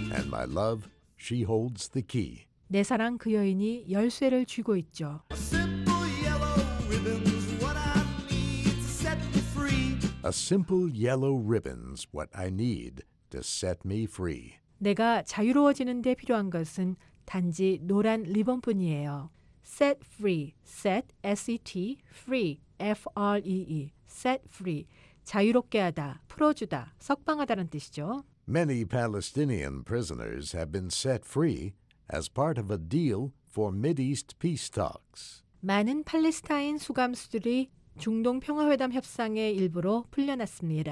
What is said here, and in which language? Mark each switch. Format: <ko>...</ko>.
<en>My love, she holds the key.</en> <ko>내 사랑 그 여인이 열쇠를 쥐고 있죠.</ko> <en>A simple yellow ribbon's what I need to set me free. A simple yellow ribbon's what I need to set me free.</en> <ko>내가 자유로워지는 데 필요한 것은 단지 노란 리본뿐이에요.</ko> <en>Set free, set, S-E-T, free, F-R-E-E, set free.</en> <ko>자유롭게 하다, 풀어주다, 석방하다는 뜻이죠.</ko> <en>Many Palestinian prisoners have been set free as part of a deal for Mideast peace talks.</en> <ko>많은 팔레스타인 수감수들이 중동 평화회담 협상의 일부로 풀려났습니다.</ko>